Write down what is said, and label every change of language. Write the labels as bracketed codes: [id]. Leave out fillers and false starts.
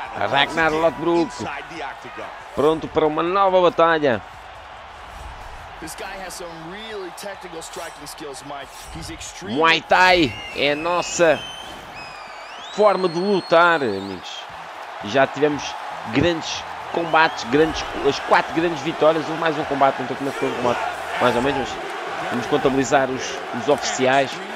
[pt] Ragnar Lothbrok pronto para uma nova batalha. [en] This guy has some really technical striking skills, Mike. He's extreme. [pt] Muay Thai é a nossa forma de lutar, amigos. Já tivemos grandes combates, as 4 grandes vitórias. Houve mais um combate, não sei como é que foi, mais ou menos, mas vamos contabilizar os oficiais.